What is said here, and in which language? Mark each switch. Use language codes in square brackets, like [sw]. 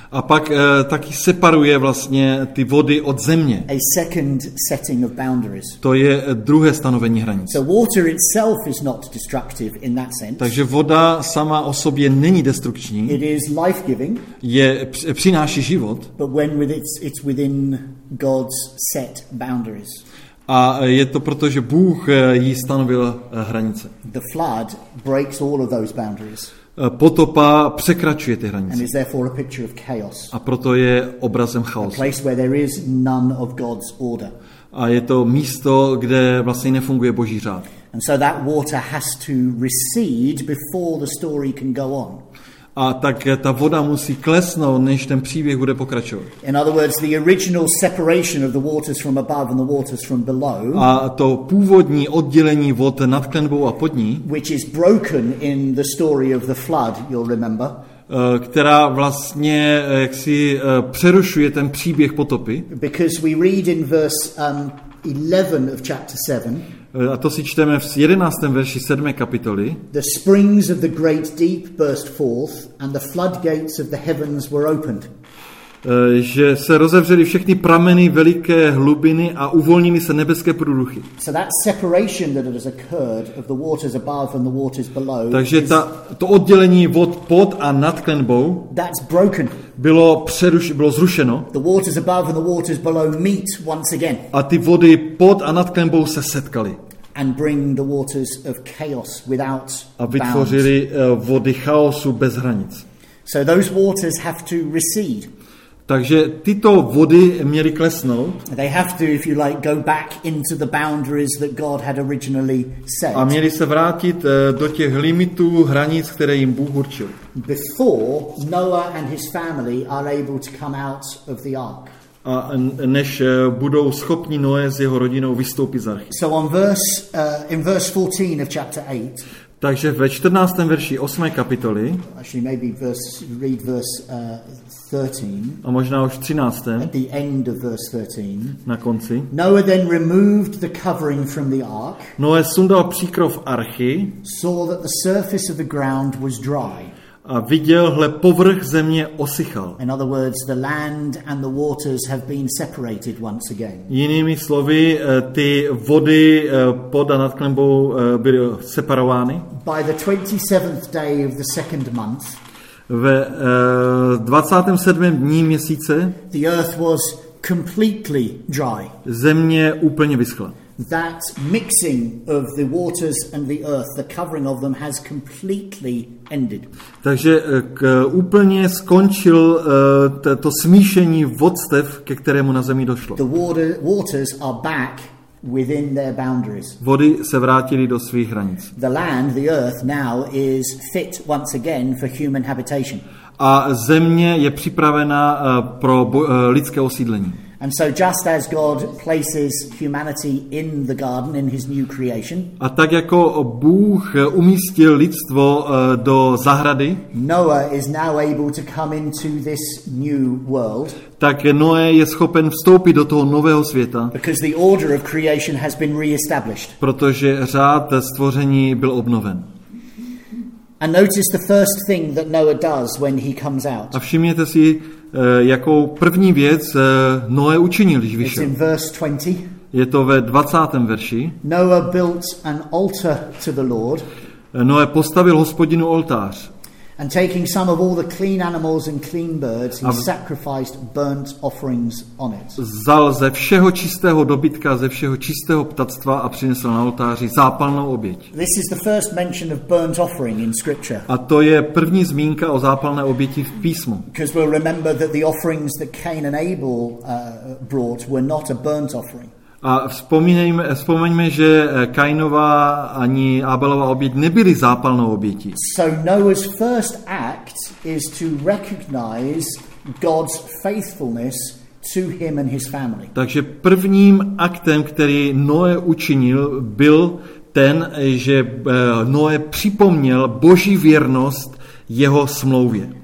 [cs] A pak taky separuje vlastně ty vody od země. [en] A second setting of boundaries. [cs] To je druhé stanovení hranic. [en] So water itself is not destructive in that sense. [cs] Takže voda sama o sobě není destrukční. [en] It is life-giving. [cs] Je přináší život. [en] But when it's within God's set boundaries. [cs] A je to proto, že Bůh jí stanovil hranice. [en] The flood breaks all of those boundaries. [cs] Potopa překračuje ty hranice. [en] And is therefore a picture of chaos. [cs] A proto je obrazem chaosu. [en] A place where there is none of God's order. [cs] A je to místo, kde vlastně nefunguje Boží řád. [en] And so that water has to recede before the story can go on. [cs] A tak ta voda musí klesnout, než ten příběh bude pokračovat. [en] In other words, the original separation of the waters from above and the waters from below. [cs] A to původní oddělení vod nad klenbou a pod ní. [en] Which is broken in the story of the flood, you'll remember. [cs] Která vlastně jaksi přerušuje ten příběh potopy. [en] Because we read in verse 11 of chapter 7. [cs] A to si čteme v 11. verši 7. kapitoly. [en] The springs of the great deep burst forth and the floodgates of the heavens were opened. [cs] Že se rozevřely všechny prameny veliké hlubiny a uvolnily se nebeské průduchy. [en] So that separation that has occurred of the waters above and the waters below. [cs] Takže to oddělení vod pod a nad klenbou. [en] That's broken. [cs] Bylo zrušeno. [en] The waters above and the waters below meet once again. [cs] A ty vody pod a nad klenbou se setkaly. [en] And bring the waters of chaos without bounds. [cs] A vytvořili vody chaosu bez hranic. [en] So those waters have to recede. [cs] Takže tyto vody měly klesnout. [en] They have to, if you like, go back into the boundaries that God had originally set. [cs] A měly se vrátit do těch limitů hranic, které jim Bůh určil. [en] Before Noah and his family are able to come out of the ark. [cs] A než budou schopni Noé s jeho rodinou vystoupit z archy. [en] So in verse 14 of chapter 8. [cs] Takže ve 14. verši 8. kapitoly. [en] Actually, maybe read verse 13. [cs] A možná už 13. [en] At the end of verse 13. [cs] Na konci. [en] Noah then removed the covering from the ark. [cs] Noé sundal příkrov archy. [en] Saw that the surface of the ground was dry. [cs] A viděl, hle, povrch země osychal. [en] In other words, the land and the waters have been separated once again. [cs] Jinými slovy, ty vody pod a nad klenbou byly separovány. [en] By the 27th day of the second month. [cs] Ve 27. dní měsíce. [en] The earth was completely dry. [cs] Země úplně vyschla. [en] That mixing of the waters and the earth, the covering of them has completely ended. [cs] Takže úplně skončil to smíšení vodstev, ke kterému na zemi došlo. [en] The waters are back within their boundaries. [cs] Vody se vrátily do svých hranic. [en] The land, the earth now is fit once again for human habitation. [cs] A země je připravena pro lidské osídlení. [en] And so just as God places humanity in the garden in his new creation. [cs] A tak jako Bůh umístil lidstvo do zahrady. [en] Noah is now able to come into this new world. [cs] Tak Noé je schopen vstoupit do toho nového světa. [en] Because the order of creation has been re-established. [cs] Protože řád stvoření byl obnoven. [en] And notice the first thing that Noah does when he comes out. [cs] A všimněte si, jako první věc Noé učinil, když vyšel. [en] In verse 20. [cs] Je to ve 20. verši. [en] Noah built an altar to the Lord. [cs] Noé postavil Hospodinu oltář. [en] And taking some of all the clean animals and clean birds, he sacrificed burnt offerings on it. [cs] Vzal ze všeho čistého dobytka, ze všeho čistého ptactva a přinesl na oltáři zápalnou oběť. [en] This is the first mention of burnt offering in scripture. [cs] A to je první zmínka o zápalné oběti v písmu. [en] Because we'll remember that the offerings that Cain and Abel brought were not a burnt offering. [cs] A vzpomeňme, že Kainova ani Abelova oběť nebyly zápalnou obětí. [en] So Noah's first act is to recognize God's faithfulness to him and his family. [cs] Takže prvním aktem, který Noé učinil, byl ten, že Noé připomněl Boží věrnost jeho smlouvě.